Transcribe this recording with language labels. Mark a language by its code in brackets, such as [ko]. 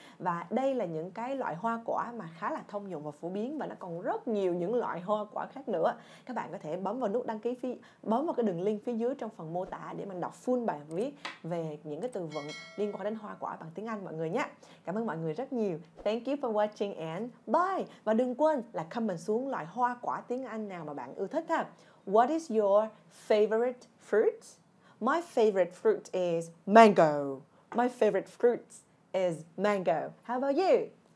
[vi] Và đây là những cái loại hoa quả mà khá là thông dụng và phổ biến, và nó còn rất nhiều những loại hoa quả khác nữa. Các bạn có thể bấm vào nút đăng ký phía, bấm vào cái đường link phía dưới trong phần mô tả để mình đọc full bài viết về những cái từ vựng liên quan đến hoa quả bằng tiếng Anh mọi người nhé. Cảm ơn mọi người rất nhiều. [en] Thank you for watching and bye. [vi] Và đừng quên là comment xuống loại hoa quả tiếng Anh nào mà bạn ưa thích ha. [en] What is your favorite fruit? My favorite fruit is mango. My favorite fruit is mango. How about you?